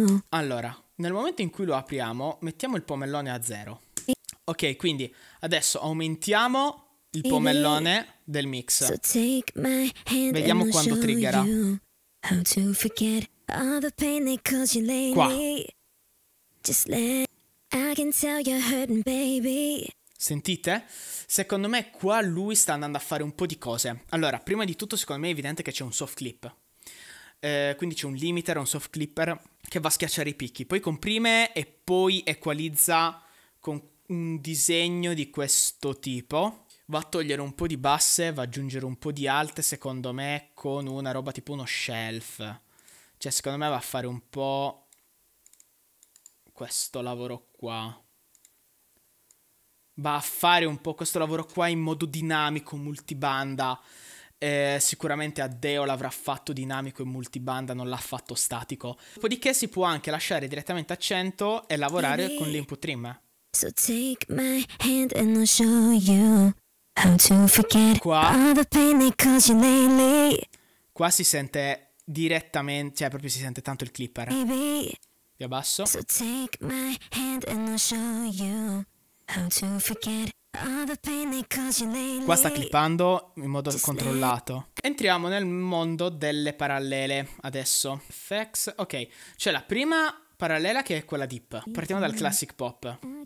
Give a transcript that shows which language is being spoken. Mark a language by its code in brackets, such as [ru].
[it] Allora, nel momento in cui lo apriamo, mettiamo il pomellone a zero. Ok, quindi adesso aumentiamo il pomellone del mix. Vediamo quando triggerà. [en] All the pain they cause you lately. Just let I can tell you're hurting, baby. [it] Sentite? Secondo me qua lui sta andando a fare un po' di cose. Allora, prima di tutto, secondo me è evidente che c'è un soft clip. Quindi c'è un limiter, un soft clipper che va a schiacciare i picchi. Poi comprime e poi equalizza con un disegno di questo tipo. Va a togliere un po' di basse, va ad aggiungere un po' di alte, secondo me, con una roba tipo uno shelf. Cioè, secondo me va a fare un po' questo lavoro qua. Va a fare un po' questo lavoro qua in modo dinamico, multibanda. Sicuramente Addeo l'avrà fatto dinamico e multibanda, non l'ha fatto statico. Dopodiché si può anche lasciare direttamente a 100 e lavorare con l'input trim. [en] So take my hand and I'll show you how to forget [it] qua. [en] All the pain they cause you lately. [it] Qua si sente... direttamente, cioè proprio si sente tanto il clipper. Vi abbasso. [en] So take my hand and I'll show you how to forget all the pain they cause you lately. [it] Qua sta clippando in modo just controllato. Entriamo nel mondo delle parallele adesso. FX, ok. C'è la prima parallela che è quella deep. Partiamo dal classic pop.